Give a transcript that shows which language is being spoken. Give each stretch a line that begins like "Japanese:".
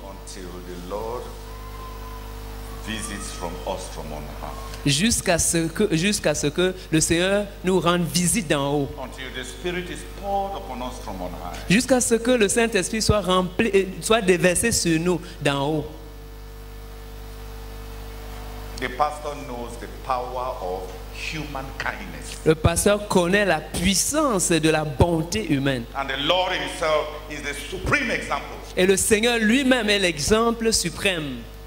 English: Until the Lord visits from us from on high.
French: Jusqu'à ce que le Seigneur nous rende visite d'en haut.
English: Until the Spirit is poured upon us from on high.
French: Jusqu'à ce que le Saint-Esprit soit rempli, soit déversé sur nous d'en haut.
English: The pastor knows the power of human kindness.
French: Le pasteur connaît la puissance de la bonté humaine.
English: And the Lord himself is the supreme example.
French: Et le Seigneur lui-même est l'exemple suprême.